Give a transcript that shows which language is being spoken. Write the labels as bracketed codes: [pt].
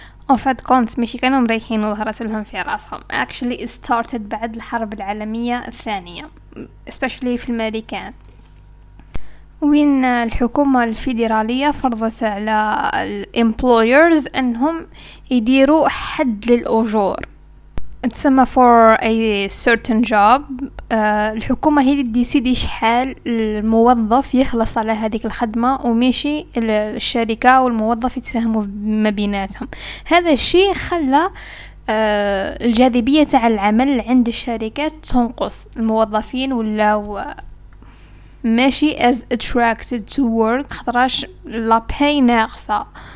[ar] وفات كونت ماشي كانوا مريحين وظهرت لهم في راسهم. [en] Actually it started [ar] بعد الحرب العالمية الثانية, especially في الماريكان, وين الحكومة الفيدرالية فرضت على الامبلويرز انهم يديروا حد للأجور. تسمى [en] for a certain job. [ar] الحكومة هي اللي تديسيدي شحال الموظف يخلص على هذيك الخدمة وماشي الشركة والموظف يتساهموا ما بيناتهم. هذا الشيء خلى الجاذبية تاع العمل عند الشركات تنقص الموظفين ولا ماشي [en] as attracted to work [ar] خطراش لا باي ناقصة.